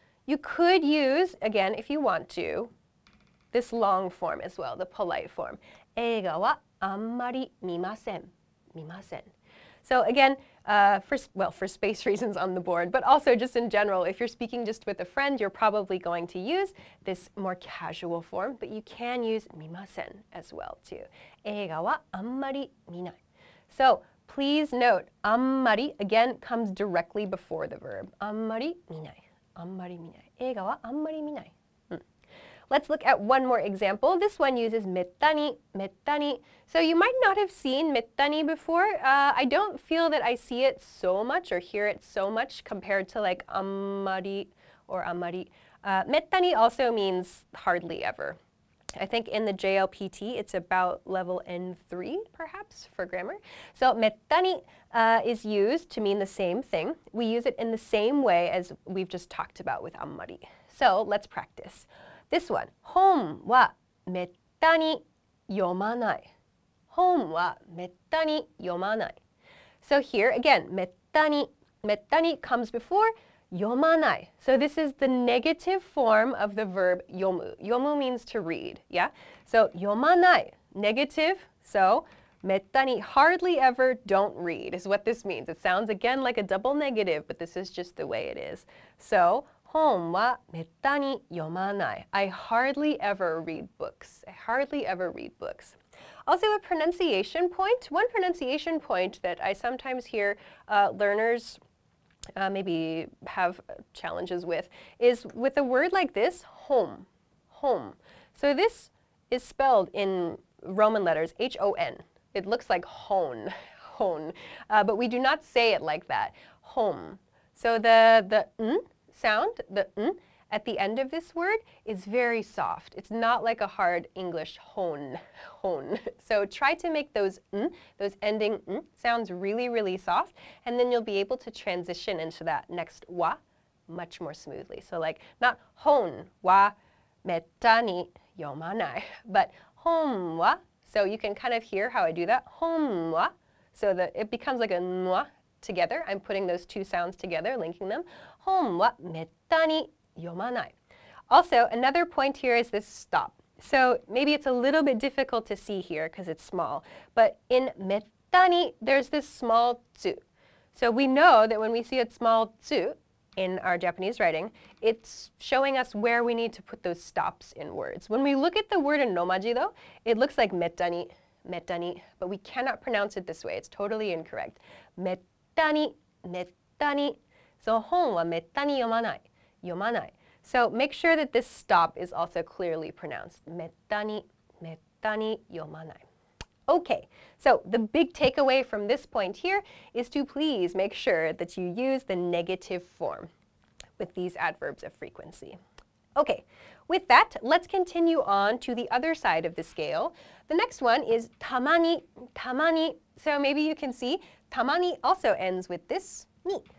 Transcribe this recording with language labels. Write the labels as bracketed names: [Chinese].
[English] You could use, again, if you want to, this long form as well, the polite form. [Japanese] 映画はあんまり見ません。見ません。 [English] So again, for space reasons on the board, but also just in general, if you're speaking just with a friend, you're probably going to use this more casual form, but you can use 見ません as well too. [Japanese] 映画はあんまり見ない。 [English] So please note, あんまり, again, comes directly before the verb. [Japanese] あんまり見ない。あんまり見ない。映画はあんまり見ない。 [English] Let's look at one more example. This one uses めったに、めったに。 So you might not have seen めったに before. I don't feel that I see it so much or hear it so much compared to like あんまりor あんまり。めったに also means hardly ever. I think in the JLPT, it's about level N3 perhaps for grammar. So めったに is used to mean the same thing. We use it in the same way as we've just talked about with あんまり. So let's practice. This one, [Japanese] 本はめったに読まない。本はめったに読まない。 [English] So here again, めったに comes before 読まない。 So this is the negative form of the verb 読む。読む means to read, yeah? So 読まない、negative, so めったに hardly ever don't read is what this means. It sounds again like a double negative, but this is just the way it is. [Japanese] So,本はめったに読まない。 [English] I hardly ever read books. I hardly ever read books. Also a pronunciation point. One pronunciation point that I sometimes hear learners maybe have challenges with is with a word like this, home. Home. So this is spelled in Roman letters, H-O-N. It looks like hon, hon. But we do not say it like that. Home. So the n,sound, the n, at the end of this word is very soft. It's not like a hard English hon, hon. So try to make those n, those ending n, sounds really, really soft, and then you'll be able to transition into that next wa much more smoothly. So like, not [Japanese] hon wa mettani yomanai, [English] but hon wa, so you can kind of hear how I do that, hon wa, so that it becomes like a nwa together. I'm putting those two sounds together, linking them. [Japanese] 本はめったに読まない。 [English] Also, another point here is this stop. So maybe it's a little bit difficult to see here because it's small. But in めったに, there's this small tsu. So we know that when we see a small tsu in our Japanese writing, it's showing us where we need to put those stops in words. When we look at the word in nomaji though, it looks like めったに, めったに, but we cannot pronounce it this way. It's totally incorrect. [Japanese] めったに, めったに,So, 本はめったに読まない。読まない。 [English] So, make sure that this stop is also clearly pronounced. [Japanese] めったに、めったに読まない。 [English] Okay, so the big takeaway from this point here is to please make sure that you use the negative form with these adverbs of frequency. Okay, with that, let's continue on to the other side of the scale. The next one is たまに、たまに。So, maybe you can see たまに also ends with this に。